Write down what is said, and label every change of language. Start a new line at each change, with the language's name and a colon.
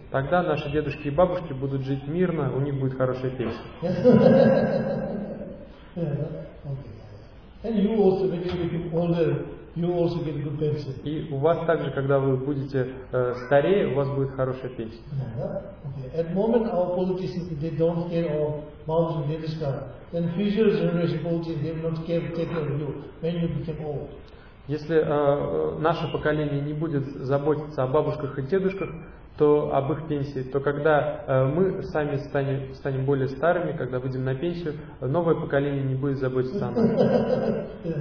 Russian: Тогда наши дедушки и бабушки будут жить мирно, у них будет хорошая пенсия.
English: Then you also when you get older, you also get good pension.
Russian: И у вас также, когда вы будете старее, у вас будет хорошая пенсия.
English: Okay. At the moment our politicians they don't care of Mountain Dedushka. Then future generation politicians they will not care take care of you when you become old.
Russian: Если наше поколение не будет заботиться о бабушках и дедушках, то об их пенсии, то когда мы сами станем более старыми, когда выйдем на пенсию, новое поколение не будет заботиться о